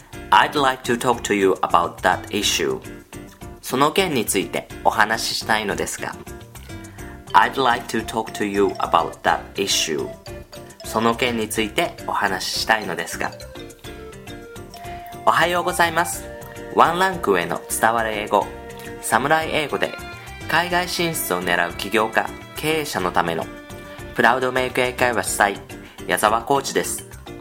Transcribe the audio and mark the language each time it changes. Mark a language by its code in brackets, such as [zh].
[en] I'd like to talk to you about that issue. [ja] その件についてお話ししたいのですが。 [en] I'd like to talk to you about that issue. [ja] その件についてお話ししたいのですが。おはようございます。ワンランク上の伝わる英語、サムライ英語で海外進出を狙う起業家、経営者のためのプラウドメイク英会話主催、矢沢コーチです。